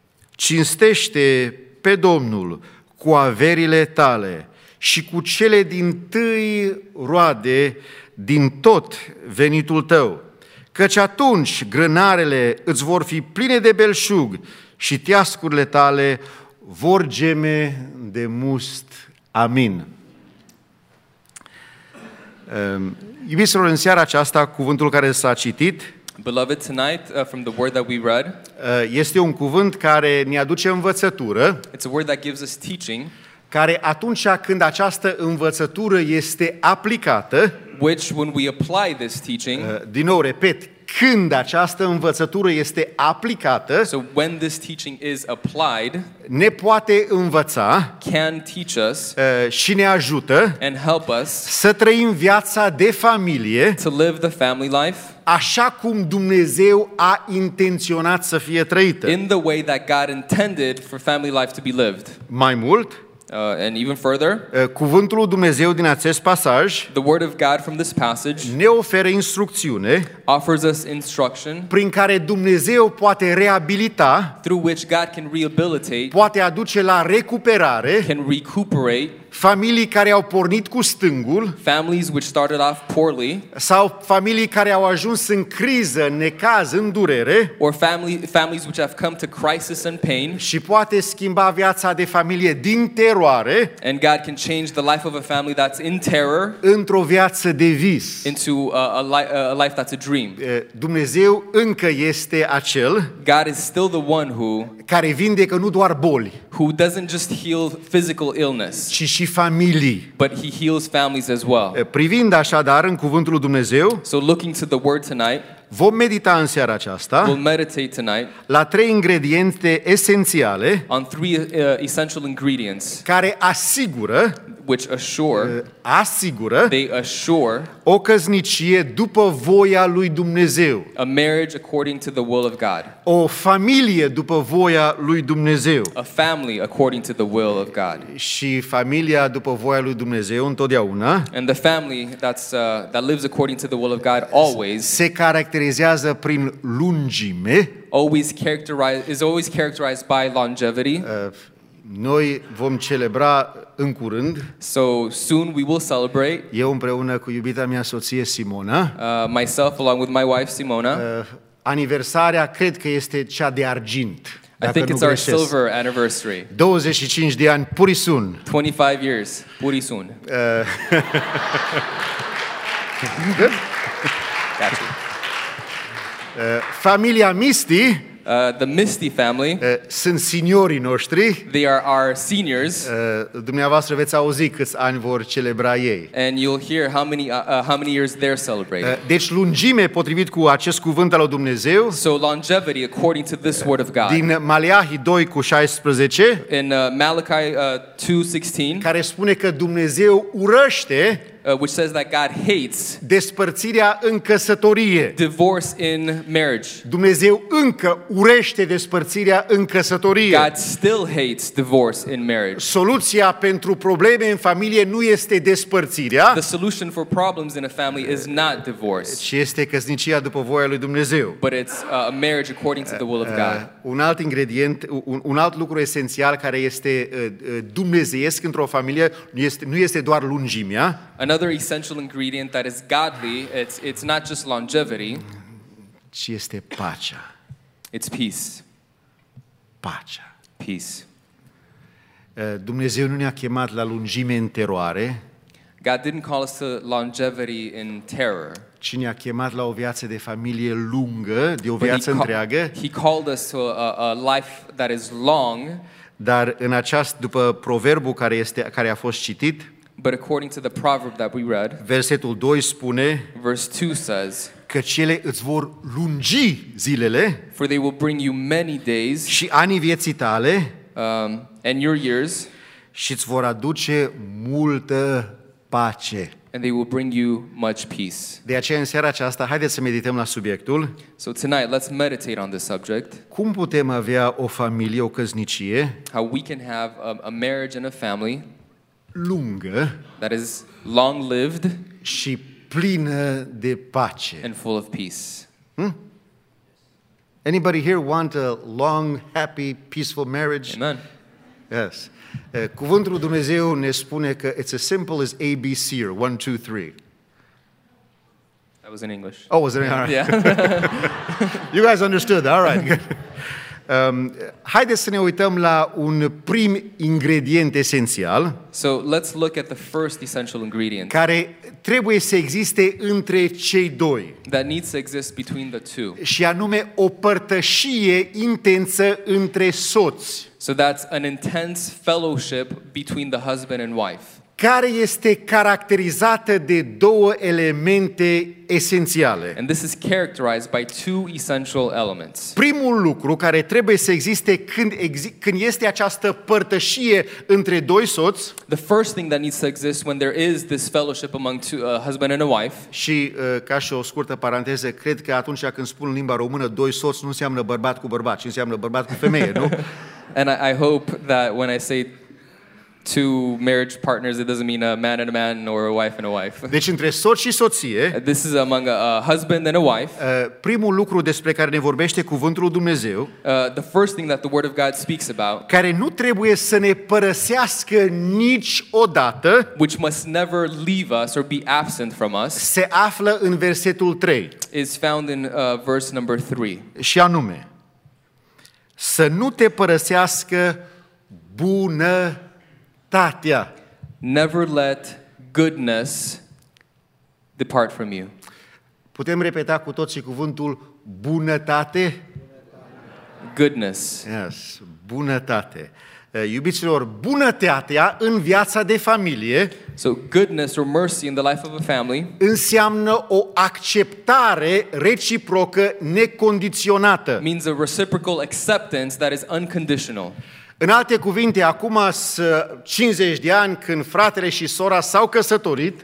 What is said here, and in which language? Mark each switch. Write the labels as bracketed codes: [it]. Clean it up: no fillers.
[ro] Cinstește pe Domnul cu averile tale și cu cele din tâi roade din tot venitul tău, căci atunci grânarele îți vor fi pline de belșug și teascurile tale vor geme de must. Amin. Iubiților, în seara aceasta, cuvântul care s-a citit, [en] beloved, tonight, from the word that we read, [ro] este un cuvânt care ne aduce învățătură. [en] It's a word that gives us teaching, [ro] care atunci când această învățătură este aplicată, [en] which when we apply this teaching, [ro] din nou repet, când această învățătură este aplicată, [en] so when this teaching is applied, [ro] ne poate învăța, [en] can teach us, [ro] și ne ajută, [en] and help us, [ro] să trăim viața de familie, [en] to live the family life, [ro] așa cum Dumnezeu a intenționat să fie trăită. [en] In the way that God intended for family life to be lived. [ro] Mai mult, [en] and even further, [ro] cuvântul lui Dumnezeu din acest pasaj, [en] the word of God from this passage, [ro] ne oferă instrucțiune, [en] offers us instruction, [ro] prin care Dumnezeu poate reabilita, [en] through which God can rehabilitate, [ro] poate aduce la recuperare, [en] can recuperate, [ro] familii care au pornit cu stângul, [en] families which started off poorly, [ro] sau familii care au ajuns în criză, în necaz, în durere, [en] or families which have come to crisis and pain, [ro] și poate schimba viața de familie din teroare, [en] and God can change the life of a family that's in terror, [ro] într-o viață de vis, [en] into a life that's a dream. [ro] Dumnezeu încă este acel, [en] God is still the one who, [ro] care vindecă nu doar boli, [en] who doesn't just heal physical illness, [ro] ci și familii. [en] But he heals families as well. [ro] Privind așadar în cuvântul lui Dumnezeu, [en] so looking to the word tonight, [ro] vom medita în seara aceasta, [en] we'll meditate tonight, [ro] la trei ingrediente esențiale, [en] on three essential ingredients, [ro] care asigură, [en] which assure, [ro] asigură [en] they assure [ro] o căsnicie după voia lui Dumnezeu. [en] A marriage according to the will of God. [ro] O familie după voia lui Dumnezeu. [en] A family according to the will of God. [ro] Și familia după voia lui Dumnezeu întotdeauna. [en] And the family that's that lives according to the will of God always. [ro] Se caracterizează prin lungime. [en] Is always characterized by longevity. [ro] Noi vom celebra în curând. [en] So soon we will celebrate. [ro] Eu împreună cu iubita mea soție Simona. [en] Myself along with my wife Simona. [ro] Aniversarea cred că este cea de argint. [en] I think it's [ro] greșesc. [en] Our silver anniversary. [ro] 25 de ani puri sun. [en] 25 years puri sun. Gotcha. [ro] Familia Misty. [en] The Misty family. [ro] Sunt seniorii noștri. [en] They are our seniors. [ro] Dumneavoastră veți auzi câți ani vor celebra ei. [en] And you'll hear how many years they're celebrating. [ro] Deci lungime potrivit cu acest cuvânt al lui Dumnezeu. [en] So longevity according to this word of God. [ro] Din Maleahi 2:16. [en] In Malachi 2:16. [ro] Care spune că Dumnezeu urăște. [en] Which says that God hates [ro] despărțirea în căsătorie. [en] Divorce in marriage. [ro] Dumnezeu încă urește despărțirea în căsătorie. [en] God still hates divorce in marriage. [ro] Soluția pentru probleme în familie nu este despărțirea. [en] The solution for problems in a family is not divorce. [ro] Ci este căsnicia după voia lui Dumnezeu. [en] But it's a marriage according to the will of God. [ro] Un alt ingredient, un alt lucru esențial care este dumnezeiesc într-o familie nu este doar lungimea. [en] Another essential ingredient that is godly, it's not just longevity. [ro] Ci este pacea. [en] It's peace. [ro] Pacea. [en] Peace. [ro] Dumnezeu nu ne-a chemat la lungime în teroare. [en] God didn't call us to longevity in terror. [ro] Ci ne-a chemat la o viață de familie lungă, de o viață întreagă. [en] He called us to a life that is long. [ro] Dar în acest după proverbul care a fost citit, [en] but according to the proverb that we read, [ro] versetul 2 spune, [en] verse 2 says, [ro] căci ele îți vor lungi zilele, [en] for they will bring you many days, [ro] și anii vieții tale, [en] and your years, [ro] și îți vor aduce multă pace, [en] and they will bring you much peace. [ro] De aceea în seara aceasta, haideți să medităm la subiectul. [en] So tonight, let's meditate on this subject. [ro] Cum putem avea o familie, o căsnicie? [en] How we can have a marriage and a family [ro] lungă, [en] that is long lived, [ro] și plină de pace, [en] and full of peace. Anybody here want a long, happy, peaceful marriage? Amen. Yes. [ro] Cuvântul Dumnezeu ne spune că [en] it's as simple as ABC or 1, 2, 3. That was in English. Oh, was it? All right. Yeah. You guys understood. All right. [ro] Haideți să ne uităm la un prim ingredient esențial. [en] So let's look at the first essential ingredient. [ro] Care trebuie să existe între cei doi. [en] That needs to exist between the two. [ro] Și anume o părtășie intensă între soți. [en] So that's an intense fellowship between the husband and wife. [ro] Care este caracterizată de două elemente esențiale. [en] And this is characterized by two essential elements. [ro] Primul lucru care trebuie să existe când este această părtășie între doi soți. [en] The first thing that needs to exist when there is this fellowship among a husband and a wife. [ro] Și ca și o scurtă paranteză, cred că atunci când spun în limba română doi soți nu înseamnă bărbat cu bărbat, ci înseamnă bărbat cu femeie, nu? [en] And I hope that when I say two marriage partners, it doesn't mean a man and a man or a wife and a wife. [ro] Deci între soț și soție. [en] This is among a husband and a wife. [ro] Primul lucru despre care ne vorbește cuvântul lui Dumnezeu. [en] The first thing that the word of God speaks about. [ro] Care nu trebuie să ne părăsească niciodată. [en] Which must never leave us or be absent from us. [ro] Se află în versetul 3. [en] Is found in verse number 3. [ro] Și anume, să nu te părăsească bună tatia. [en] Never let goodness depart from you. [ro] Putem repeta cu toții cuvântul bunătate? [en] Goodness. Yes, bunătate. [ro] Iubiților, bunătatea în viața de familie. [en] So goodness or mercy in the life of a family. [ro] Înseamnă o acceptare reciprocă necondiționată. [en] Means a reciprocal acceptance that is unconditional. [ro] În alte cuvinte, acum 50 de ani când fratele și sora s-au căsătorit.